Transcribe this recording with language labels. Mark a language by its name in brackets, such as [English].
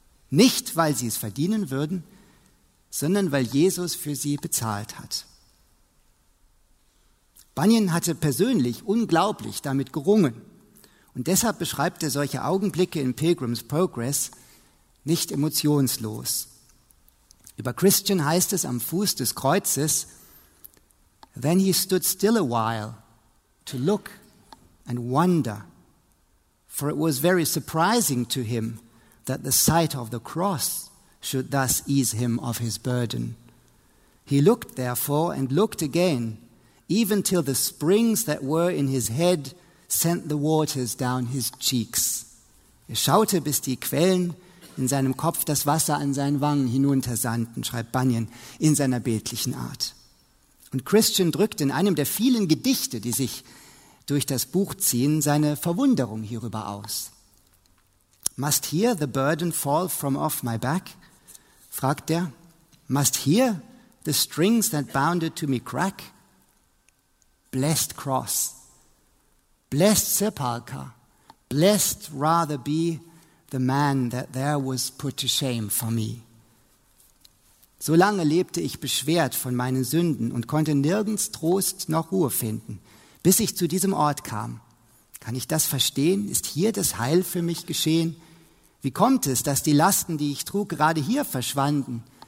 [German] Nicht, weil sie es verdienen würden, sondern weil Jesus für sie bezahlt hat. Bunyan hatte persönlich unglaublich damit gerungen. Und deshalb beschreibt er solche Augenblicke in Pilgrim's Progress nicht emotionslos. Über Christian heißt es am Fuß des Kreuzes, [English] "Then he stood still a while to look and wonder, for it was very surprising to him that the sight of the cross should thus ease him of his burden. He looked therefore and looked again, even till the springs that were in his head sent the waters down his cheeks." [German] Er schaute, bis die Quellen in seinem Kopf das Wasser an seinen Wangen hinuntersandten, schreibt Bunyan in seiner bildlichen Art. Und Christian drückt in einem der vielen Gedichte, die sich durch das Buch ziehen, seine Verwunderung hierüber aus. [English] "Must here the burden fall from off my back?" [German] fragt er. [English] "Must here the strings that bounded to me crack? Blessed cross, blessed sepulchre, blessed rather be the man that there was put to shame for me. [German] So lange lebte ich beschwert von meinen Sünden und konnte nirgends Trost noch Ruhe finden, bis ich zu diesem Ort kam. Kann ich das verstehen? Ist hier das Heil für mich geschehen? Wie kommt es, dass die Lasten, die ich trug, gerade hier verschwanden?